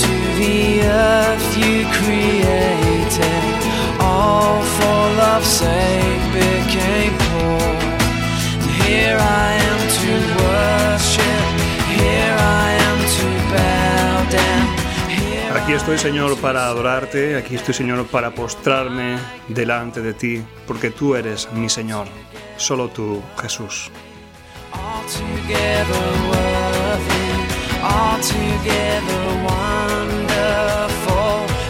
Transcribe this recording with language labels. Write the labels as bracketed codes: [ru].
[en] Earth you created, all for love's sake became poor. And here I am to worship, here I am to bow down. [es] Aquí estoy, Señor, para adorarte, aquí estoy, Señor, para postrarme delante de ti, porque tú eres mi Señor, solo tú, Jesús. [en] All together worthy, all together wonderful.